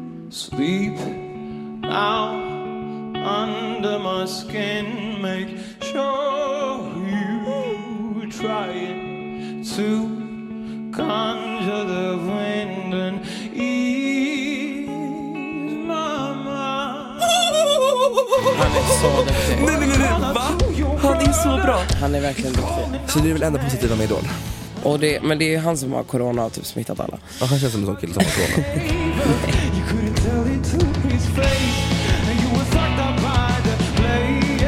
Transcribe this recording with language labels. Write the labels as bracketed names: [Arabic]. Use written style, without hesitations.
[English] Sleep now under my skin, make sure you trying to conjure the wind and ease my mind. [Swedish] Han är så duktig. Han är så bra. Han är verkligen duktig. Så du är väl ändå positiv om Idol? Och det, men det är ju han som har corona och typ smittat alla. Ja, han känns som en sån kille som har corona. [English] You couldn't tell it to his face. You were sucked up by the play.